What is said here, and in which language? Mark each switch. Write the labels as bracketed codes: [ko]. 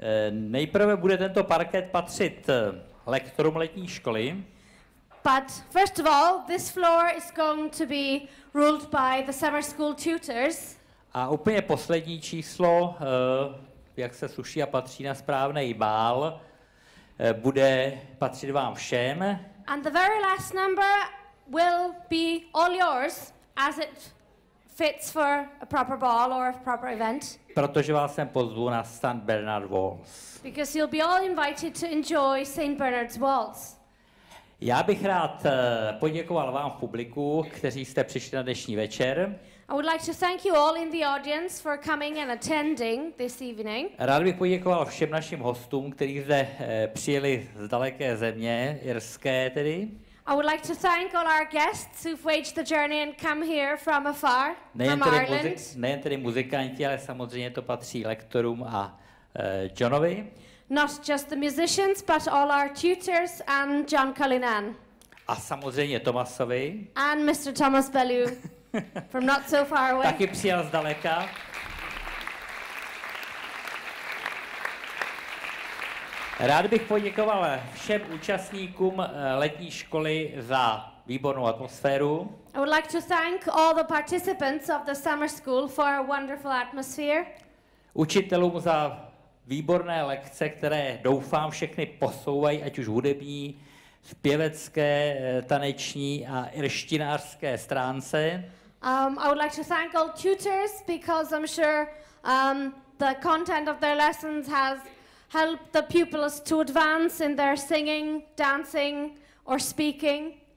[cs] Nejprve bude tento parket patřit lektorům letní školy. [en] But first of all, this floor is going to be ruled by the summer school tutors. [cs] A úplně poslední číslo jak se sluší a patří na správnej bál, bude patřit vám všem. [en] And the very last number will be all yours as it fits for a proper ball or a proper event. [cs] Protože vás sem pozvu na St. Bernard Waltz. [en] Because you'll be all invited to enjoy St. Bernard's Waltz. [cs] Já bych rád poděkoval vám v publiku, kteří jste přišli na dnešní večer. [en] I would like to thank you all in the audience for coming and attending this evening. [cs] Rád bych poděkoval všem našim hostům, kteří zde přijeli z daleké země, irské tedy. [en] I would like to thank all our guests who've waged the journey and come here from afar, [cs] nejen [en] from Ireland. [cs] Nejen tedy muzikanti, ale samozřejmě to patří lektorům a Johnovi. [en] Not just the musicians, but all our tutors and John Cullinane. [cs] A samozřejmě Tomasovi. [en] And Mr. Thomas Bellew from not so far away. [cs] Taky přijel z daleka. Rád bych poděkoval všem účastníkům letní školy za výbornou atmosféru. [en] I would like to thank all the participants of the summer school for a wonderful atmosphere. [cs] Učitelům za výborné lekce, které doufám všechny posouvají, ať už hudební, zpěvecké, taneční a irštinářské stránce. [en] I would like to thank all tutors because I'm sure the content of their lessons has help the pupils to advance in their singing, dancing or speaking.